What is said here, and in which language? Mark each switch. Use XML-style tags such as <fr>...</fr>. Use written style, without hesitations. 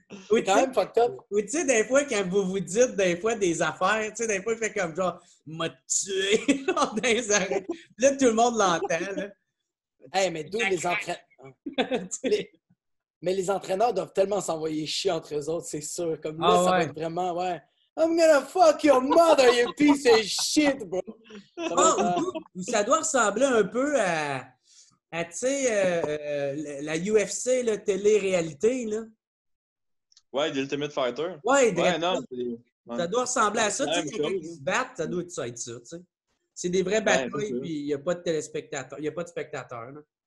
<fr>Oui, quand même,</fr> <en>fucked up.</en> <fr>Ou tu sais, des fois, quand vous vous dites des fois des affaires, tu sais, des fois, il fait comme genre, m'a tué, dans les... Là, tout le monde l'entend, là. Hé, hey, mais d'où les entraîneurs. Mais les entraîneurs doivent tellement s'envoyer chier entre eux autres, c'est sûr. Comme là, ah, ça ouais. Va être vraiment, ouais.</fr> <en>I'm gonna fuck your mother, you piece of shit, bro.</en> <fr>Ça doit ressembler un peu à. Ah, tu sais, la UFC, la télé-réalité, là. Ouais, The Ultimate Fighter. Ouais, ouais, non, ouais. Ça doit ressembler à ça. Tu sais, quand ils se battent, ça doit être ça, tu sais. C'est des vrais batailles, ouais, puis il n'y a pas de téléspectateurs. Il n'y a pas de spectateurs, là.</fr>